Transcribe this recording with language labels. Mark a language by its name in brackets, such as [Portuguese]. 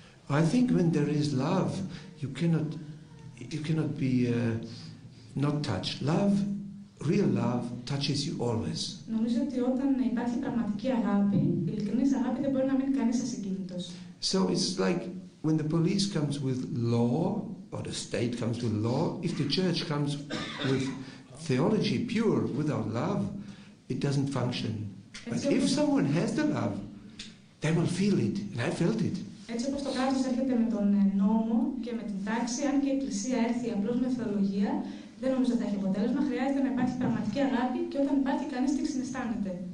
[English] I think when there is love, you cannot be not touched. Love, real love, touches you always. [Greek] Νομίζω ότι όταν υπάρχει πραγματική αγάπη, ειλικρινής αγάπη, δεν μπορεί να μείνει κανείς ασυγκίνητος. [English] So it's like when the police comes with law, or the state comes with law, if the church comes with theology pure, without love, it doesn't function. But if someone has the love, they will feel it, and I felt it. [Greek] Έτσι όπως το κράτος έρχεται με τον νόμο και με την τάξη, αν και η εκκλησία έρθει απλώς με θεολογία, δεν νομίζω ότι θα έχει αποτέλεσμα, χρειάζεται να υπάρχει πραγματική αγάπη και όταν υπάρχει κανείς τι συναισθάνεται.